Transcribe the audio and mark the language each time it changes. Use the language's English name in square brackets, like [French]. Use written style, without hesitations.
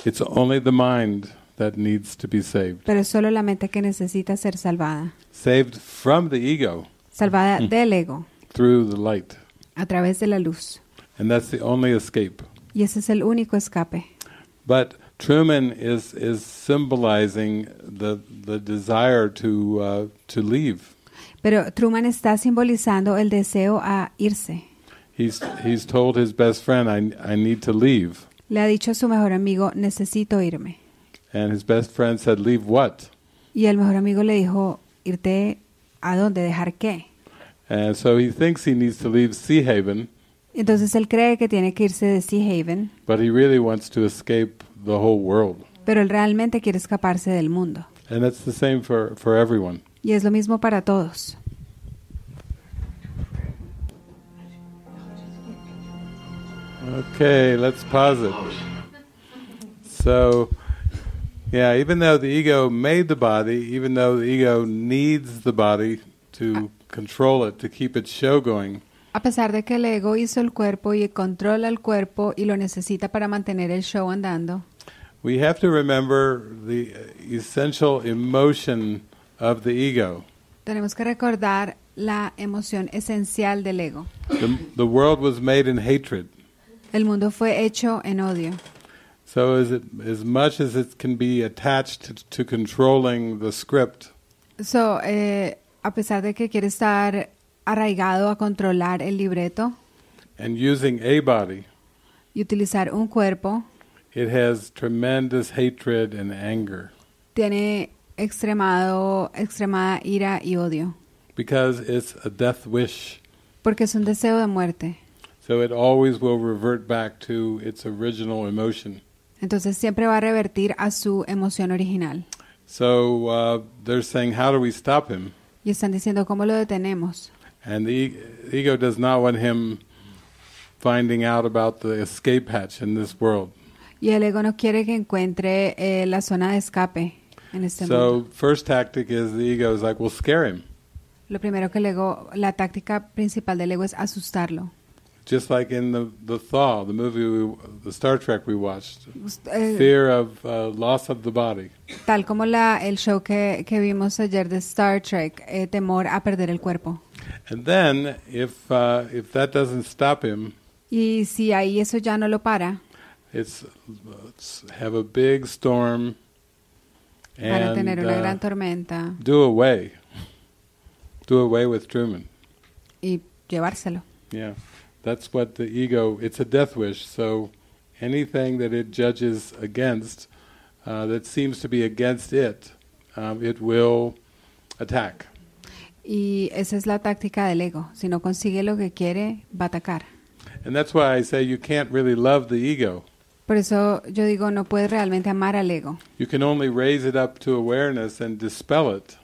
[English] It's only the mind that needs to be saved. [Spanish] Pero es solo la mente que necesita ser salvada. [English] Saved from the ego. [Spanish] Salvada del ego. [English] Through the light. [Spanish] A través de la luz. [English] And that's the only escape. [Spanish] Y ese es el único escape. [English] But Truman is symbolizing the desire to leave. [Spanish] Pero Truman está simbolizando el deseo a irse. [English] He's told his best friend, I need to leave. [Spanish] Le ha dicho a su mejor amigo, necesito irme. [English] And his best friend said, leave what? [Spanish] Y el mejor amigo le dijo, irte a dónde, dejar qué? [English] And so he thinks he needs to leave Sea Haven. [Spanish] Entonces él cree que tiene que irse de Sea Haven. [English] But he really wants to escape the whole world. [Spanish] Pero él realmente quiere escaparse del mundo. [English] And it's the same for everyone. [Spanish] Y es lo mismo para todos. [English] Okay, let's pause it. So, yeah, even though the ego made the body, even though the ego needs the body to control it, to keep its show going. [Spanish] A pesar de que el ego hizo el cuerpo y controla el cuerpo y lo necesita para mantener el show andando. [English] We have to remember the essential emotion of the ego. [Spanish] Tenemos que recordar la emoción esencial del ego. [English] The world was made in hatred. [Spanish] El mundo fue hecho en odio. [English] So as much as it can be attached to controlling the script. [Spanish] So, a pesar de que quiere estar arraigado a controlar el libreto. [English] And using a body. [Spanish] Y utilizar un cuerpo. [English] It has tremendous hatred and anger. [Spanish] Tiene extremada ira y odio. [English] Because it's a death wish. [Spanish] Porque es un deseo de muerte. [English] So it always will revert back to its original emotion. [Spanish] Entonces siempre va a revertir a su emoción original. [English] So they're saying, how do we stop him? [Spanish] Y están diciendo, ¿cómo lo detenemos? [English] And the ego does not want him finding out about the escape hatch in this world. [Spanish] Y el ego no quiere que encuentre la zona de escape en este mundo. [English] So first tactic is the ego is like, we'll scare him. [Spanish] Lo primero que el ego, la táctica principal del ego es asustarlo. [English] Just like in the Thaw, the movie, the Star Trek we watched, fear of loss of the body. [Spanish] Tal como el show que vimos ayer de Star Trek, temor a perder el cuerpo. [English] And then, if that doesn't stop him, [Spanish] y si ahí eso ya no lo para, [English] it's have a big storm and [Spanish] para tener una gran tormenta, [English] do away with Truman. [Spanish] Y llevárselo. [English] Yeah. That's what the ego, it's a death wish, so anything that it judges against, that seems to be against it, it will attack. [Spanish] Y esa es la táctica del ego, si no consigue lo que quiere, va a atacar. [English] And that's why I say you can't really love the ego. [Spanish] Por eso yo digo, no puedes realmente amar al ego. [English] You can only raise it up to awareness and dispel it.